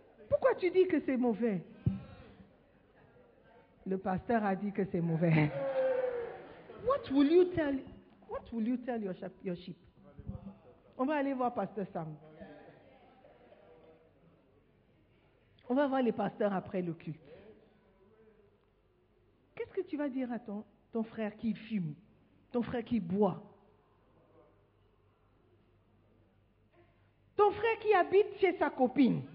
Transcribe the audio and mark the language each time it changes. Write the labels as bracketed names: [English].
[French] Pourquoi tu dis que c'est mauvais? Le pasteur a dit que c'est mauvais. [English] What will you tell your sheep? [French] On va aller voir Pasteur Sam. On va voir les pasteurs après le culte. Qu'est-ce que tu vas dire à ton frère qui fume, ton frère qui boit, ton frère qui habite chez sa copine?